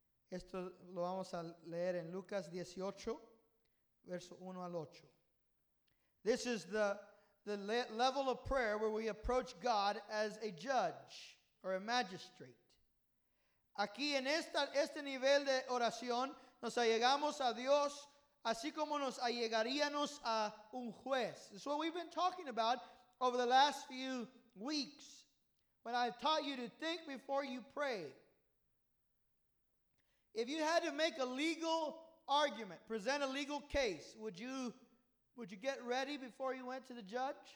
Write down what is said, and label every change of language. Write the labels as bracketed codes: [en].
[es] Esto lo vamos a leer en Lucas 18, verso 1 al 8. [en] This is the level of prayer where we approach God as a judge or a magistrate. [es] Aquí en este nivel de oración nos allegamos a Dios así como nos allegaríamos a un juez. [en] It's what we've been talking about over the last few weeks when I taught you to think before you pray. If you had to make a legal argument, present a legal case, would you get ready before you went to the judge?